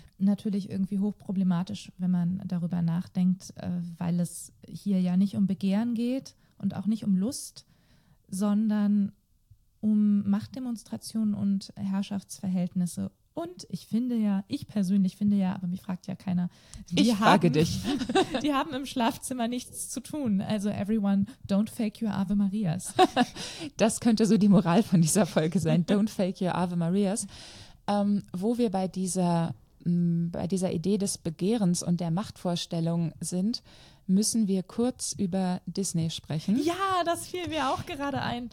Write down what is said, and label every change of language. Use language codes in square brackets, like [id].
[de] Natürlich irgendwie hochproblematisch, wenn man darüber nachdenkt, weil es hier ja nicht um Begehren geht und auch nicht um Lust, sondern um Machtdemonstrationen und Herrschaftsverhältnisse. Und ich finde ja, ich persönlich finde ja, aber mich fragt ja keiner, die haben im Schlafzimmer nichts zu tun. [en] Also everyone, don't fake your Ave Marias. [de] Das könnte so die Moral von dieser Folge sein, [en] don't fake your Ave Marias. [de] Wo wir bei dieser Idee des Begehrens und der Machtvorstellung sind, müssen wir kurz über Disney sprechen. Ja, das fiel mir auch gerade ein.